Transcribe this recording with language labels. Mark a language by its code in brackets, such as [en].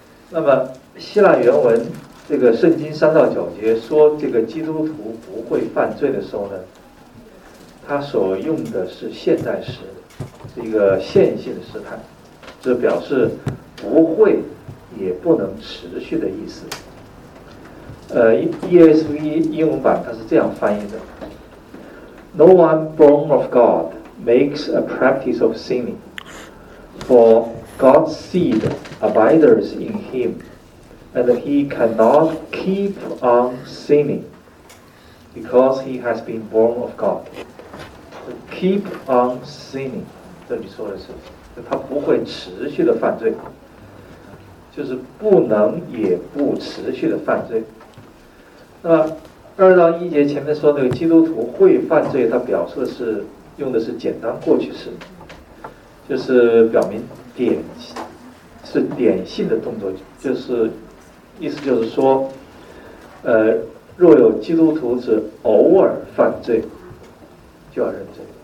[zh] 那么希腊原文这个圣经3:9说这个基督徒不会犯罪的时候呢，他所用的是现在时，是一个线性的试探，这表示不会也不能持续的意思。 ESV 英文版它是这样翻译的 [en] No one born of God makes a practice of sinning, for God's seed abides in him, and he cannot keep on sinning because he has been born of God. Keep on sinning, [zh] 这里说的是他不会持续的犯罪，就是不能也不持续的犯罪。那二到一节前面说那个基督徒会犯罪，他表示的是用的是简单过去式，就是表明点是点性的动作，就是意思就是说，若有基督徒只偶尔犯罪，就要认罪。